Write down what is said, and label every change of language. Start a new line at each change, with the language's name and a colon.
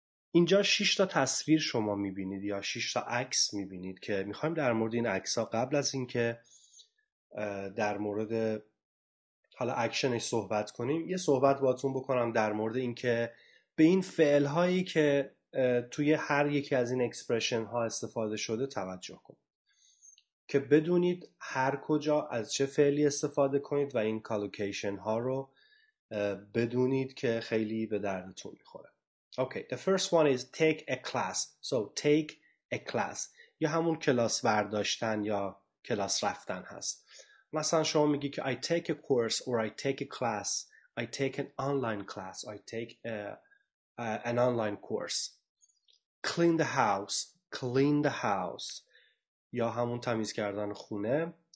Persian: اینجا 6 تا تصویر شما میبینید یا 6 تا عکس میبینید که میخوایم در مورد این عکس ها قبل از اینکه در مورد حالا اکشنش صحبت کنیم یه صحبت باهاتون بکنم در مورد اینکه به این فعل هایی که توی هر یکی از این اکسپرشن ها استفاده شده توجه کنید که بدونید هر کجا از چه فعلی استفاده کنید و این کالوکیشن ها رو بدونید که خیلی به دردتون میخوره.
English: Okay, the first one is take a class. So take a class.
Persian: یا همون کلاس برداشتن یا کلاس رفتن هست. مثلا شما میگی که
English: I take a course or I take a class. I take an online class. I take an online course. Clean the house. Clean the house.
Persian: یا همون تمیز کردن خونه.